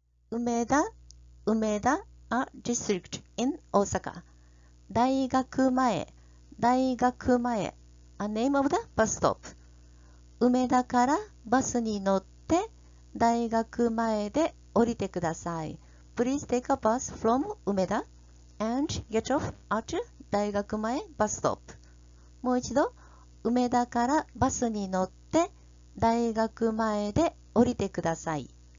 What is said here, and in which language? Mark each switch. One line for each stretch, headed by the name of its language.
English: 梅田、梅田、a district in Osaka. 大学前、大学前、a name of the bus stop.
Japanese: 梅田からバスに乗って大学前で降りてください。
English: Please take a bus from 梅田 and get off at 大学前 bus stop.
Japanese: もう一度、梅田からバスに乗って大学前で降りてください。